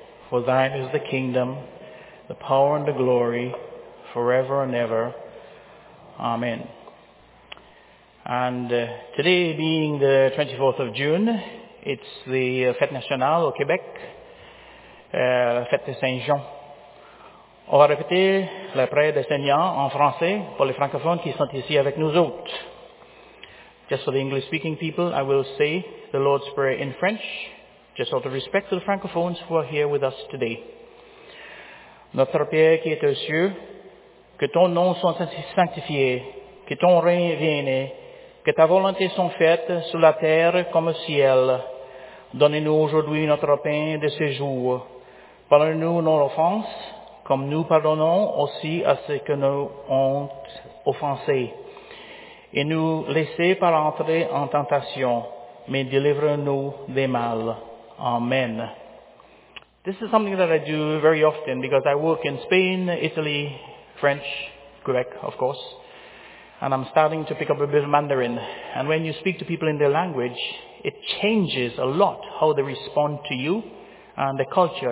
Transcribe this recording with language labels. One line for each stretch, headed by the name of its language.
English: For thine is the kingdom, the power and the glory, forever and ever. Amen. And today being the 24th of June, it's the Fête Nationale au Québec, Fête de Saint-Jean.
French: On va répéter la prière de Seigneur en français pour les francophones qui sont ici avec nous autres.
English: Just for the English-speaking people, I will say the Lord's Prayer in French, just out of respect to the francophones who are here with us today.
French: Notre Père qui est aux cieux, que ton nom soit sanctifié, que ton règne vienne, que ta volonté soit faite sur la terre comme au ciel. Donne-nous aujourd'hui notre pain de ce jour. Pardonne-nous nos offenses, comme nous pardonnons aussi à ceux que nous ont offensés. Et nous laissez pas entrer en tentation, mais délivre-nous des mals. Amen.
English: This is something that I do very often because I work in Spain, Italy, French, Quebec, of course, and I'm starting to pick up a bit of Mandarin. And when you speak to people in their language, it changes a lot how they respond to you and the culture.